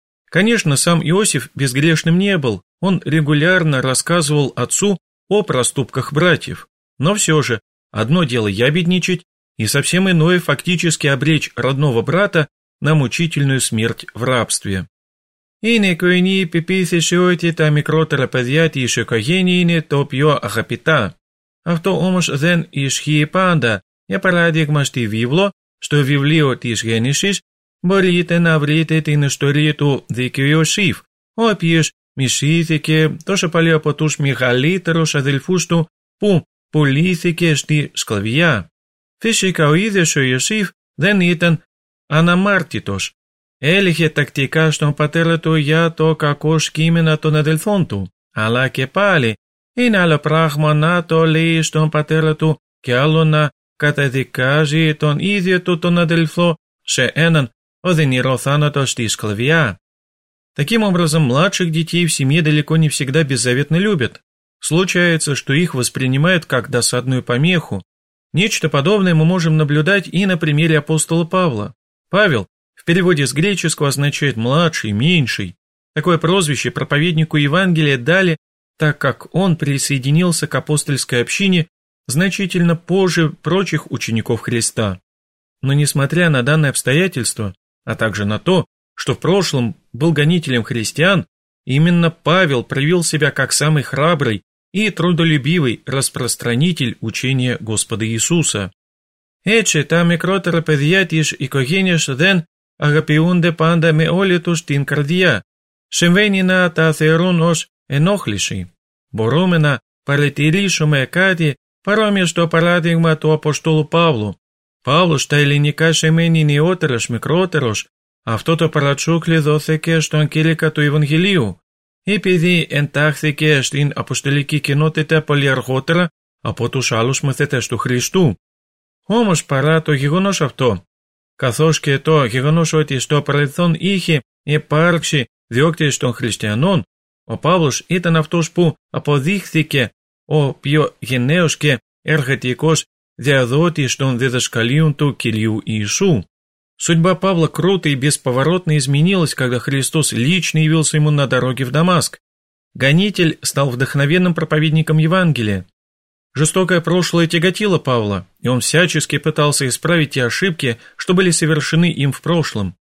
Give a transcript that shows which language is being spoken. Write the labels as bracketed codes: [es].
[ru] Конечно, сам Иосиф безгрешным не был, он регулярно рассказывал отцу о проступках братьев. Но все же, одно дело ябедничать, и совсем иное фактически обречь родного брата на мучительную смерть в рабстве. [el] Είναι κοινή η πεποίθηση ότι τα μικρότερα παιδιά της οικογένειας είναι το πιο αγαπητά. Αυτό όμως δεν ισχύει πάντα. Για παράδειγμα στη Βίβλο, στο βιβλίο της Γέννησης, μπορείτε να βρείτε την ιστορία του δίκαιου Ιωσήφ, ο οποίος μισήθηκε τόσο πολύ από τους μεγαλύτερους αδελφούς του που πουλήθηκε στη σκλαβιά. Φυσικά ο ίδιος ο Ιωσήφ δεν ήταν αναμάρτητος. Έλεγε τακτικά στον πατέρα του για το κακό σκήμενα των αδελφών του. Αλλά και πάλι, είναι άλλο πράγμα να το λέει στον πατέρα του και άλλο να καταδικάζει τον ίδιο του τον αδελφό σε έναν οδυνηρό θάνατο στη σκλαβιά. [ru] Таким образом, младших детей в семье далеко не всегда беззаветно любят. Случается, что их воспринимают как досадную помеху. Нечто подобное мы можем наблюдать и на примере апостола Павла. Павел, в переводе с греческого означает «младший», «меньший». Такое прозвище проповеднику Евангелия дали, так как он присоединился к апостольской общине значительно позже прочих учеников Христа. Но несмотря на данное обстоятельство, а также на то, что в прошлом был гонителем христиан, именно Павел проявил себя как самый храбрый и трудолюбивый распространитель учения Господа Иисуса. [el] «Эче та микротера педиатиш и когенеш ден» αγαπιούνται πάντα με όλη τους την καρδιά. Συμβαίνει να τα θεωρούν ως ενόχληση. Μπορούμε να παρατηρήσουμε κάτι παρόμοιο στο παράδειγμα του Αποστόλου Παύλου. Παύλος στα ελληνικά σημαίνει νεότερος, μικρότερος. Αυτό το παρατσούκλι δόθηκε στον κήρυκα του Ευαγγελίου. Επειδή εντάχθηκε στην αποστολική κοινότητα πολύ αργότερα από τους άλλους μαθητές του Χριστού. Όμως παρά το γεγονός αυτό, καθώς και το γεγονός ότι στο παρελθόν είχε υπάρξει διώκτηση των χριστιανών, ο Παύλος ήταν αυτός που αποδείχθηκε ο πιο γενναίος και εργατικός διαδότης των διδασκαλίων του Κυρίου Ιησού. [ru] Судьба Павла круто и бесповоротно изменилась, когда Христос лично явился ему на дороге в Дамаск. Гонитель стал вдохновенным проповедником Евангелия. Жестокое прошлое тяготило Павла, и он всячески пытался исправить те ошибки, что были совершены им в прошлом.